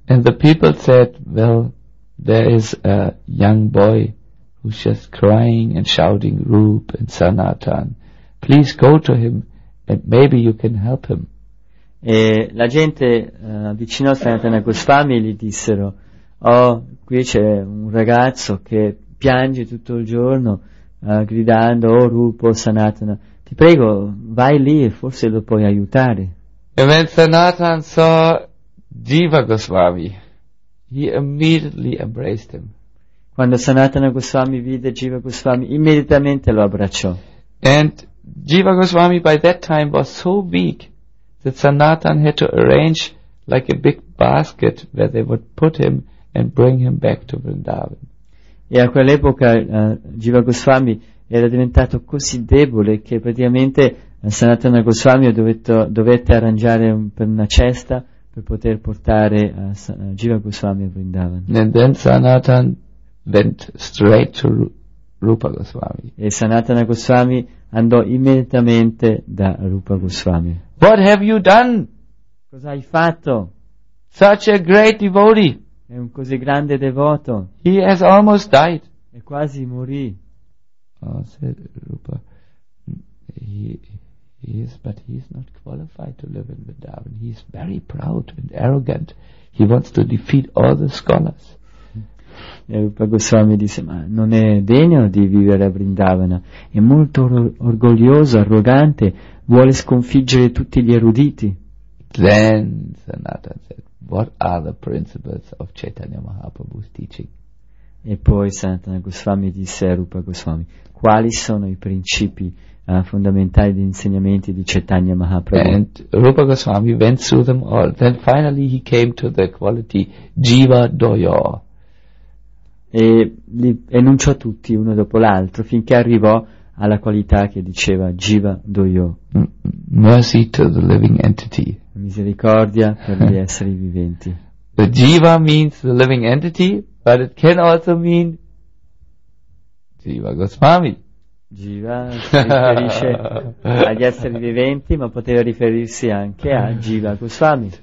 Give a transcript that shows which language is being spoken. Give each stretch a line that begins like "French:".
English: And the people said, well, there is a young boy who's just crying and shouting Roop and Sanatan. Please go to him and maybe you can help him.
Italian: E la gente vicino a Sanatana Goswami gli dissero, oh, qui c'è un ragazzo che piange tutto il giorno gridando, oh Rupo, Sanatana, ti prego, vai lì e forse lo puoi aiutare.
English: And when Sanatan saw Jiva Goswami, he immediately embraced him.
Italian: Quando Sanatana Goswami vide Jiva Goswami, immediatamente lo abbracciò.
English: And Jiva Goswami by that time was so weak that Sanatan had to arrange like a big basket where they would put him and bring him back to Vrindavan.
Italian: E a quell'epoca Jiva Goswami era diventato così debole che praticamente Sanatana Goswami dovette arrangiare per una cesta per poter portare Jiva Goswami a Vrindavan.
English: And then Sanatan went straight to Rupa Goswami.
Italian: E Sanatana Goswami andò immediatamente da Rupa Goswami.
English: What have you done?
Italian: Cosa hai fatto?
English: Such a great devotee.
Italian: È un così grande devoto.
English: He has almost died.
Italian: E quasi morì.
English: Oh, said Rupa. He is not qualified to live in Vrindavan. He is very proud and arrogant. He wants to defeat all the scholars.
Italian: E Rupa Goswami disse, ma non è degno di vivere a Vrindavana. È molto orgoglioso, arrogante. Vuole sconfiggere tutti gli eruditi.
English: Then Sanatana said, what are the principles of Chaitanya Mahaprabhu's teaching?
Italian: E poi Sanatana Goswami disse a Rupa Goswami, quali sono i principi fondamentali di insegnamenti di Chaitanya Mahaprabhu?
English: And Rupa Goswami went through them all. Then finally he came to the quality Jiva Doyo.
Italian: E li enunciò tutti uno dopo l'altro finché arrivò alla qualità che diceva Jiva Doyo.
English: Mercy to the living entity.
Italian: Misericordia per gli esseri viventi.
English: The Jiva means the living entity, but it can also mean Jiva Goswami.
Italian: Jiva si riferisce agli esseri viventi, ma poteva riferirsi anche a Jiva Goswami.